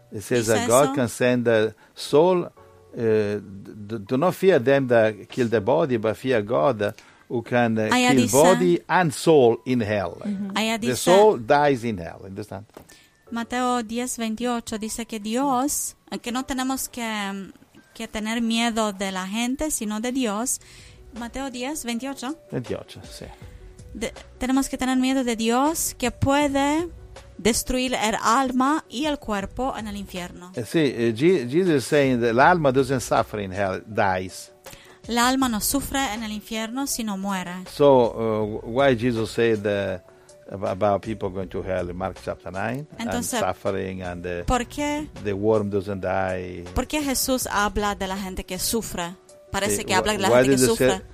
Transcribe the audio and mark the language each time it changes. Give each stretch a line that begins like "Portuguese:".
English: It says that God can send the soul. Do not fear them that kill the body, but fear God who can kill body and soul in hell. Mm-hmm. The soul dies in hell. Understand?
Spanish: Mateo 10:28 dice que Dios, que no tenemos que tener miedo de la gente, sino de Dios. Mateo 10:28. 28, sí. Tenemos que tener miedo de Dios, que puede destruir el alma y el cuerpo en el infierno. Sí,
English: Jesus is saying that the alma doesn't suffer in hell, dies.
Spanish: La alma no sufre en el infierno, sino muere.
English: So, why Jesus said about people going to hell in Mark chapter 9.
Spanish: Entonces,
English: and suffering and the worm doesn't die.
Spanish: ¿Por qué Jesús habla de la gente que sufre? Parece que habla de la gente que sufre.